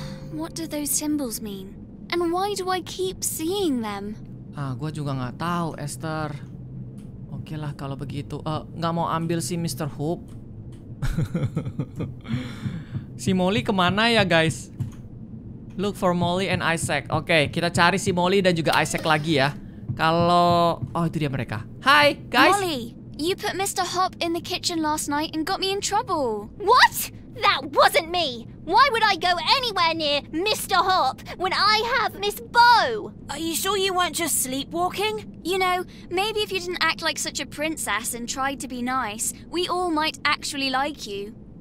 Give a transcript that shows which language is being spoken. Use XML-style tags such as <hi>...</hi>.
<en>What do those symbols mean? And why do I keep seeing them?</en> <id>Gua juga nggak tahu, Esther. Oke lah kalau begitu. Nggak mau ambil si Mr. Hope. Si Molly kemana ya,</id> <en>guys? Look for Molly and Isaac.</en> <id>Oke, kita cari si Molly dan juga Isaac lagi ya. Kalau... Oh, itu dia mereka.</id> <en>Hi, guys. Molly, you put Mr. Hop in the kitchen last night and got me in trouble. What? That wasn't me. Why would I go anywhere near Mr. Hop when I have Miss Bo? Are you sure you weren't just sleepwalking? You know, maybe if you didn't act like such a princess and tried to be nice, we all might actually like you.</en>